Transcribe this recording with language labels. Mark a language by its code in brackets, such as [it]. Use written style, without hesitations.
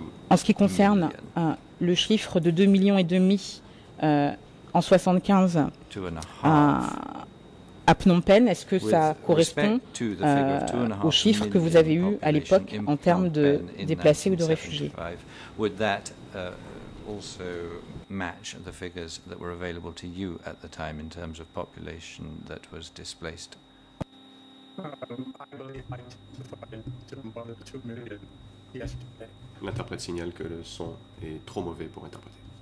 [fr] En ce qui concerne le chiffre de 2,5 millions en 1975, à Phnom Penh, est-ce que ça correspond aux chiffres que vous avez eus à l'époque en termes de déplacés ou de réfugiés? [en] Would that also match the figures that were available to you at the time in terms of population that was displaced? I believe I testified to about 2 million yesterday. [fr] L'interprète signale que le son est trop mauvais pour interpréter.